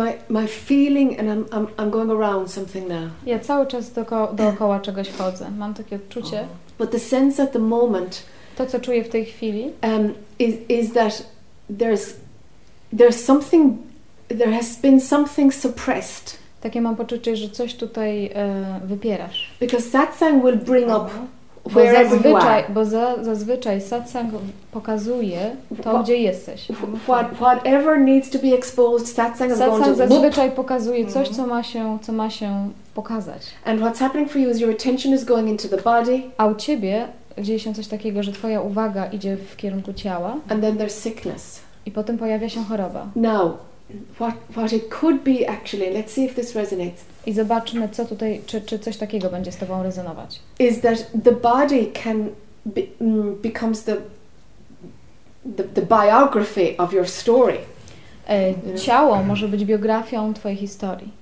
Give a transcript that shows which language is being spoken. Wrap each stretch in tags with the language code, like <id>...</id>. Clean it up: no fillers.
<en>My feeling, and I'm going around something now.</en> <pl>Ja cały czas dookoła czegoś chodzę. Mam takie odczucie.</pl> <en>Oh. But the sense at the moment.</en> <pl>To co czuję w tej chwili.</pl> <en>Is that there's something, there has been something suppressed.</en> <pl>Takie mam poczucie, że coś tutaj wypierasz.</pl> <en>Because satsang will bring up wherever</en> <pl>zazwyczaj,</pl> <en>you are.</en> <pl>Bo zazwyczaj satsang pokazuje to, gdzie jesteś.</pl> <en>Whatever needs to be exposed, satsang is going to</en> <pl>Satsang zazwyczaj pokazuje coś, co ma się pokazać.</pl> <en>And what's happening for you is your attention is going into the body.</en> <pl>A u ciebie dzieje się coś takiego, że twoja uwaga idzie w kierunku ciała.</pl> <en>And then there's sickness.</en> <pl>I potem pojawia się choroba.</pl> <en>Now, what it could be actually, let's see if this resonates.</en> <pl>I zobaczmy, co tutaj, czy coś takiego będzie z tobą rezonować.</pl> <en>Is that the body can becomes the biography of your story.</en> <pl>Ciało może być biografią twojej historii.</pl>